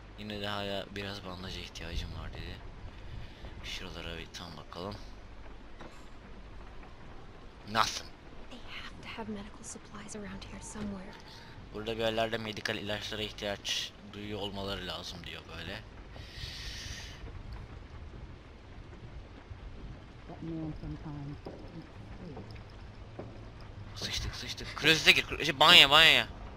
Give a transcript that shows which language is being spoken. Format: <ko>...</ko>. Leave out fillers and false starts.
<tr>Yine de hala biraz bandaja ihtiyacım var dedi. Şuralara bir tam bakalım.</tr> <en>Nothing. They have to have medical supplies around here somewhere.</en> <tr>Burada bir yerlerde medikal ilaçlara ihtiyaç duyuyor olmaları lazım diyor böyle. Sıçtık sıçtık. Klozete gir. Şey, banyoya banyoya.</tr>